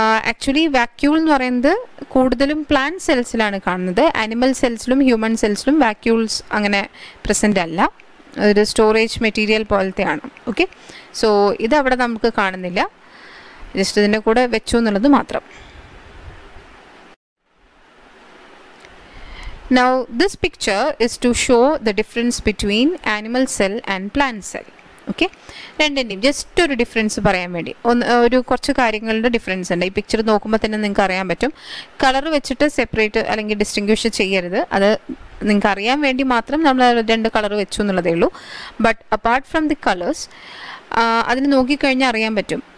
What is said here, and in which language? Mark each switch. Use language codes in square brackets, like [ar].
[ml] Actually vacuole എന്ന് പറയുന്നത് കൂടുതലും പ്ലാന്റ് സെൽസിലാണ് കാണുന്നത്. ആനിമൽ സെൽസിലും ഹ്യൂമൻ സെൽസിലും വാക്യൂൾസ് അങ്ങനെ പ്രസൻ്റ് അല്ല, ഒരു സ്റ്റോറേജ് മെറ്റീരിയൽ പോലത്തെയാണ്. ഓക്കെ, സോ ഇതവിടെ നമുക്ക് കാണുന്നില്ല, ജസ്റ്റ് ഇതിൻ്റെ കൂടെ വെച്ചു എന്നുള്ളത് മാത്രം. [en] Now, this picture is to show the difference between animal cell and plant cell. [ml] Okay, രണ്ടിൻ്റെയും ജസ്റ്റ് ഒരു ഡിഫറൻസ് പറയാൻ വേണ്ടി ഒരു കുറച്ച് കാര്യങ്ങളുടെ ഡിഫറൻസ് ഉണ്ട്. ഈ പിക്ചർ നോക്കുമ്പോൾ തന്നെ നിങ്ങൾക്ക് അറിയാൻ പറ്റും. കളർ വെച്ചിട്ട് സെപ്പറേറ്റ് അല്ലെങ്കിൽ ഡിസ്റ്റിങ്ക്വിഷ് ചെയ്യരുത്, അത് നിങ്ങൾക്ക് അറിയാൻ വേണ്ടി മാത്രം നമ്മൾ രണ്ട് കളർ വെച്ചു എന്നുള്ളതേ ഉള്ളൂ. [en] but apart from the colours [ml] അതിന് നോക്കിക്കഴിഞ്ഞാൽ അറിയാൻ പറ്റും.